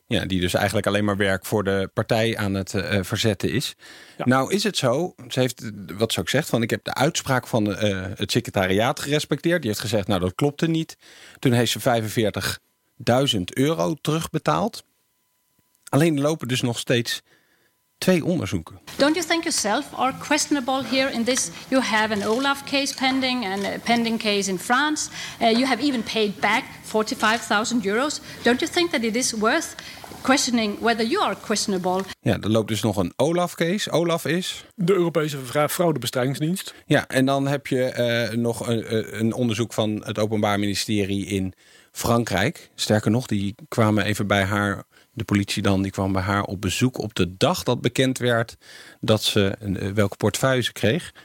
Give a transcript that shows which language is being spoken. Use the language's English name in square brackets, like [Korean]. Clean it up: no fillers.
[Dutch] Ja, die dus eigenlijk alleen maar werk voor de partij aan het verzetten is. Ja. Nou is het zo, ze heeft, wat ze ook zegt, van ik heb de uitspraak van het secretariaat gerespecteerd. Die heeft gezegd, nou dat klopte niet. Toen heeft ze €45.000 terugbetaald. Alleen lopen dus nog steeds twee onderzoeken. [English] Don't you think yourself are questionable here in this? You have an Olaf case pending and a pending case in France. You have even paid back €45.000. Don't you think that it is worth questioning whether you are questionable? [Dutch] Ja, er loopt dus nog een Olaf case. Olaf is de Europese fraudebestrijdingsdienst. Ja, en dan heb je nog een onderzoek van het Openbaar Ministerie in Frankrijk. Sterker nog, die kwamen even bij haar. De politie dan, die kwam bij haar op bezoek op de dag dat bekend werd dat ze welke portefeuille ze kreeg.